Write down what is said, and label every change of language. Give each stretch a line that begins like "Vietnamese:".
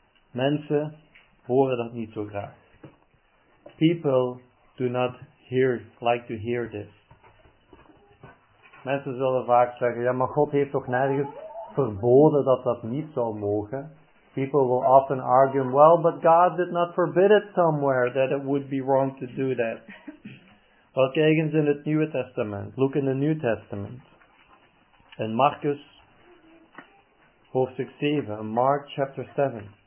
Dutch: Mensen horen dat niet zo graag.
English: People do not hear, like to hear this.
Dutch: Mensen zullen vaak zeggen, ja, maar God heeft toch nergens verboden dat dat niet zou mogen.
English: People will often argue, well, but God did not forbid it somewhere that it would be wrong to do that.
Dutch: Wel, kijk eens in het Nieuwe Testament.
English: Look in the New Testament.
Dutch: In Marcus, hoofdstuk 7,
English: in Mark chapter 7.